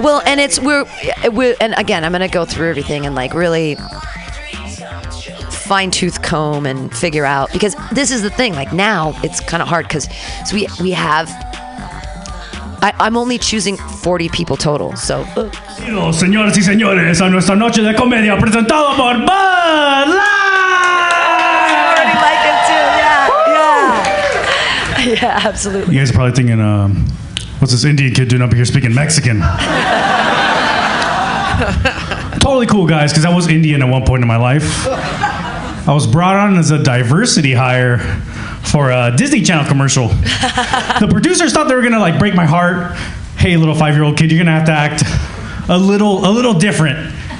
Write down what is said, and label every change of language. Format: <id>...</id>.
<en>Well, and it's, we're, and again, I'm going to go through everything and like really fine tooth comb and figure out, because this is the thing, like now it's kind of hard because so we have, I'm only choosing 40 people total, so.</en> <es>Señoras y señores, a nuestra noche de comedia presentado por Bud Light!</es> <en>I already like it too, yeah. Woo! Yeah. Yeah, absolutely. You guys are probably thinking, what's this Indian kid doing up here speaking Mexican? Totally cool, guys, because I was Indian at one point in my life. I was brought on as a diversity hire for a Disney Channel commercial. The producers thought they were gonna like break my heart. Hey, little 5-year-old kid, you're gonna have to act a little different.</en>